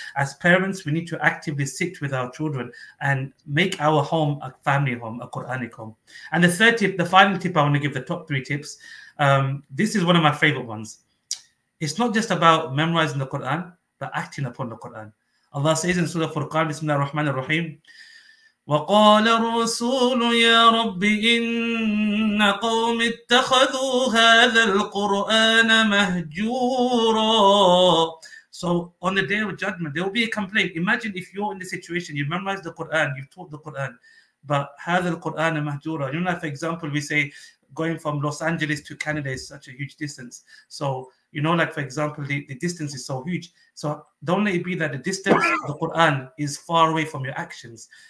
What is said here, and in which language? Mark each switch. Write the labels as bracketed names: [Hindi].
[English] As parents, we need to actively sit with our children and make our home a family home, a Quranic home. And the third tip, the final tip, I want to give the top three tips. This is one of my favorite ones. It's not just about memorizing the Quran, but acting upon the Quran. Allah says in Surah Furqan, Bismillah ar-Rahman ar-Rahim, [Arabic] وَقَالَ الرَّسُولُ يَا رَبِّ إِنَّ قَوْمِ اتَّخَذُوا هَذَا الْقُرْآنَ مَهْجُورًا. [English] So on the day of judgment, there will be a complaint. Imagine if you're in the situation, you've memorized the Quran, you've taught the Quran, but [Arabic] هَذَا الْقُرْآنَ مَهْجُورًا. [English] You know, for example, we say, going from Los Angeles to Canada is such a huge distance. So, you know, like, for example, the distance is so huge. So don't let it be that the distance of the Quran is far away from your actions.